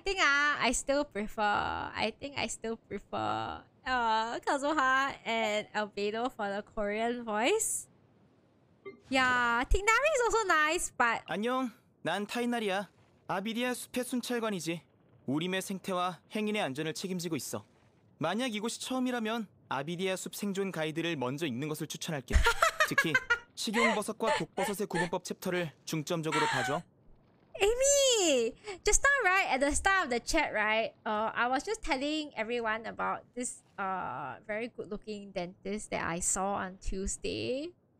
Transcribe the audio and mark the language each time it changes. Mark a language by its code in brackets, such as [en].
[en] I think I still prefer Kazuha and Albedo for the Korean voice. Yeah, Tignari is also nice, but [ko] 안녕, 난 타이나리야. 아비디아 숲의 순찰관이지. 우림의 생태와 행인의 안전을 책임지고 있어. 만약 이곳이 처음이라면 아비디아 숲 생존 가이드를 먼저 읽는 것을 추천할게. 특히 식용버섯과 독버섯의 구분법 챕터를 중점적으로 봐줘. [en] Amy, just now, right at the start of the chat, right? I was just telling everyone about this very good-looking dentist that I saw on Tuesday.